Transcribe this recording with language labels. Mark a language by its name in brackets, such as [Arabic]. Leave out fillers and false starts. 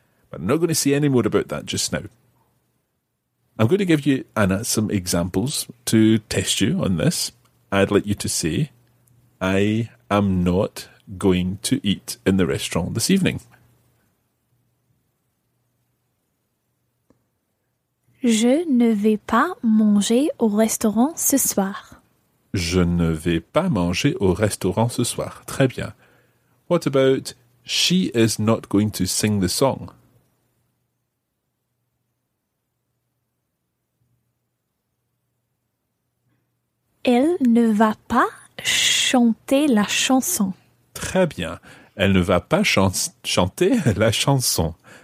[English] But I'm not going to say any more about that just now. I'm going to give you, Anna, some examples to test you on this. I'd like you to say, I am not going to eat in the restaurant this evening. [French] Je ne vais pas manger au restaurant ce soir. Je ne vais pas manger au restaurant ce soir. Très bien. [English] What about she is not going to sing the song? [French] Elle ne va pas chanter la chanson. Très bien. Elle ne va pas chanter la chanson.